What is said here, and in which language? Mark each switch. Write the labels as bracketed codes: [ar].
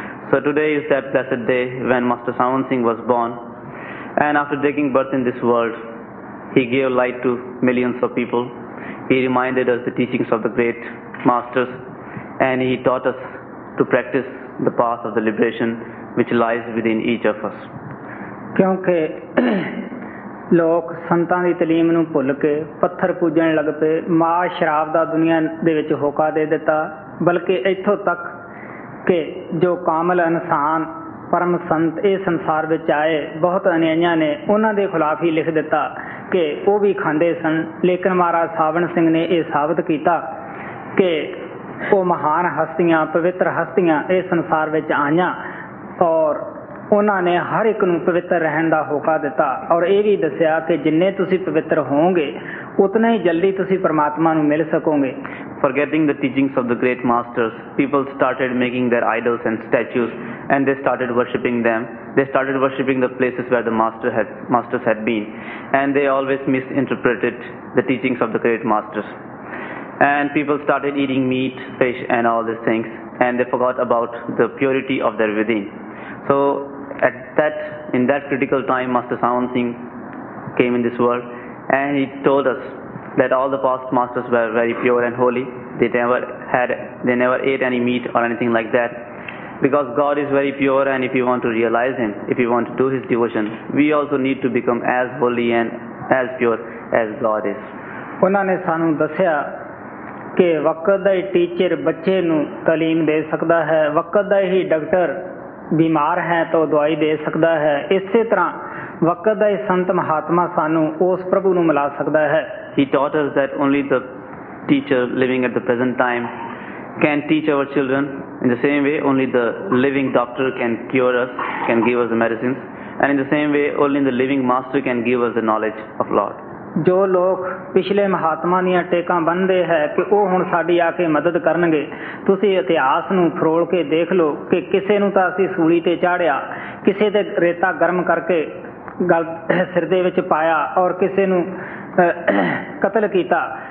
[en] So today is that blessed day when Master Sawan Singh was born, and after taking birth in this world, he gave light to millions of people. He reminded us the teachings of the great masters, and he taught us to practice the path of the liberation which lies within each of us. [pa] ਕਿਉਂਕਿ ਲੋਕ ਸੰਤਾਂ ਦੀ ਤਲੀਮ ਨੂੰ ਭੁੱਲ ਕੇ ਪੱਥਰ ਪੂਜਣ ਲੱਗ ਪਏ, ਮਾਂ ਸ਼ਰਾਬ ਦਾ ਦੁਨੀਆਂ ਦੇ ਵਿੱਚ ਹੋਕਾ ਦੇ ਦਿੱਤਾ, ਬਲਕਿ ਇੱਥੋਂ ਤੱਕ ਕਿ ਜੋ ਕਾਮਲ ਇਨਸਾਨ ਪਰਮ ਸੰਤ ਇਹ ਸੰਸਾਰ ਵਿੱਚ ਆਏ, ਬਹੁਤ ਅਨਿਆਈਆਂ ਨੇ ਉਹਨਾਂ ਦੇ ਖਿਲਾਫ ਹੀ ਲਿਖ ਦਿੱਤਾ ਕਿ ਉਹ ਵੀ ਖਾਂਦੇ ਸਨ, ਲੇਕਿਨ ਮਹਾਰਾਜ ਸਾਵਣ ਸਿੰਘ ਨੇ ਇਹ ਸਾਬਤ ਕੀਤਾ ਕਿ ਉਹ ਮਹਾਨ ਹਸਤੀਆਂ, ਪਵਿੱਤਰ ਹਸਤੀਆਂ ਇਸ ਸੰਸਾਰ ਵਿੱਚ ਆਈਆਂ ਔਰ ਉਹਨਾਂ ਨੇ ਹਰ ਇੱਕ ਨੂੰ ਪਵਿੱਤਰ ਰਹਿਣ ਦਾ ਹੋਕਾ ਦਿੱਤਾ ਔਰ ਇਹ ਵੀ ਦੱਸਿਆ ਕਿ ਜਿੰਨੇ ਤੁਸੀਂ ਪਵਿੱਤਰ ਹੋਵੋਗੇ ਉਤਨਾ ਹੀ ਜਲਦੀ ਤੁਸੀਂ ਪਰਮਾਤਮਾ ਨੂੰ ਮਿਲ ਸਕੋਗੇ। [en] Forgetting the teachings of the great masters, people started making their idols and statues and they started worshipping them. They started worshipping the places where the masters had been, and they always misinterpreted the teachings of the great masters. And people started eating meat, fish and all these things, and they forgot about the purity of their within. So in that critical time, Master Sawan Singh came in this world and he told us that all the past masters were very pure and holy. They never ate any meat or anything like that, because God is very pure, and if you want to realize him, if you want to do his devotion, we also need to become as holy and as pure as God is. [pa] ਉਹਨਾਂ ਨੇ ਸਾਨੂੰ ਦੱਸਿਆ ਕਿ ਵਕਤ ਦਾ ਹੀ teacher ਬੱਚੇ ਨੂੰ ਤਾਲੀਮ ਦੇ ਸਕਦਾ ਹੈ, ਵਕਤ ਦਾ ਹੀ ਡਾਕਟਰ ਬਿਮਾਰ ਹੈ ਤਾਂ ਦਵਾਈ ਦੇ ਸਕਦਾ ਹੈ, ਇਸੇ ਤਰ੍ਹਾਂ ਵਕਤ ਦਾ ਹੀ ਸੰਤ ਮਹਾਤਮਾ ਸਾਨੂੰ ਉਸ ਪ੍ਰਭੂ ਨੂੰ ਮਿਲਾ ਸਕਦਾ ਹੈ। [en] He taught us that only the teacher living at the present time can teach our children. In the same way, only the living doctor can cure us, can give us the medicines, and in the same way only the living master can give us the knowledge of Lord. [pa] ਜੋ ਲੋਕ ਪਿਛਲੇ ਮਹਾਤਮਾ ਦੀਆਂ ਟੇਕਾਂ ਬੰਨਦੇ ਹੈ ਕਿ ਉਹ ਹੁਣ ਸਾਡੀ ਆ ਕੇ ਮਦਦ ਕਰਨਗੇ, ਤੁਸੀਂ ਇਤਿਹਾਸ ਨੂੰ ਫਰੋਲ ਕੇ ਦੇਖ ਲਓ ਕਿ ਕਿਸੇ ਨੂੰ ਤਾਂ ਅਸੀਂ ਸੂਲੀ 'ਤੇ ਚਾੜਿਆ, ਕਿਸੇ ਦੇ ਰੇਤਾ ਗਰਮ ਕਰਕੇ ਗਲ ਸਿਰ ਦੇ ਵਿੱਚ ਪਾਇਆ ਔਰ ਕਿਸੇ ਨੂੰ ਕਤਲ ਕੀਤਾ।